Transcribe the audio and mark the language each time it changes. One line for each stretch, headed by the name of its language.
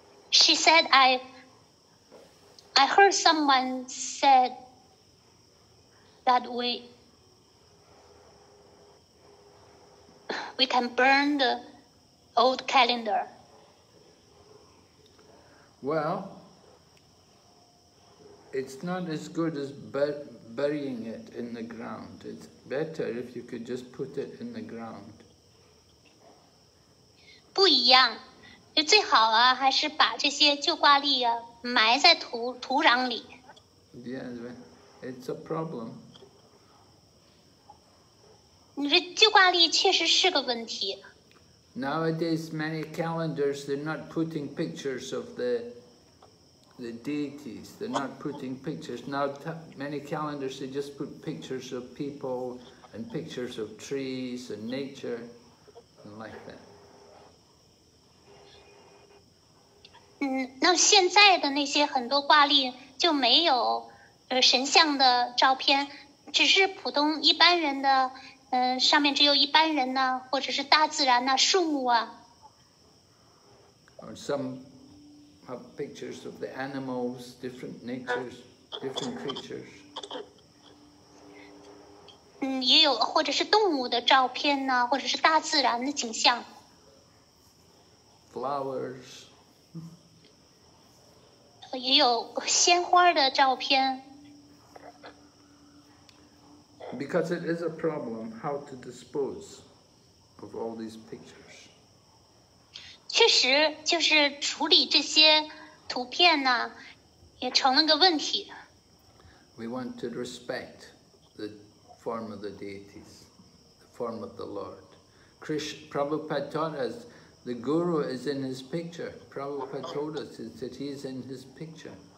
English: She said, I heard someone said that we can burn the old calendar. Well, it's not as good as burying it in the ground. It's better if you could just put it in the ground.
Chinese: 不一样，就最好啊，还是把这些旧挂历啊。埋在土壤里。
English: Yeah, it's a problem.
Chinese: 你这旧挂历确实是个问题。
English: Nowadays, many calendars they're not putting pictures of the deities. They're not putting pictures. Now, many calendars they just put pictures of people and pictures of trees and nature and like that.
Chinese: 那现在的那些很多挂历就没有神像的照片，只是普通一般人的，上面只有一般人呢，或者是大自然呢，树木啊。
English: Or some have pictures of the animals, different natures, different creatures.
Chinese: 也有或者是动物的照片呢，或者是大自然的景象。
English: Flowers.
Chinese: 也有鲜花的照片。
English: Because it is a problem how to dispose of all these pictures.
Chinese: 确实，就是处理这些图片呢，也成了个问题。
English: We want to respect the form of the deities, the form of the Lord. Prabhupada taught us. The guru is in his picture. Prabhupada told us that he is in his picture.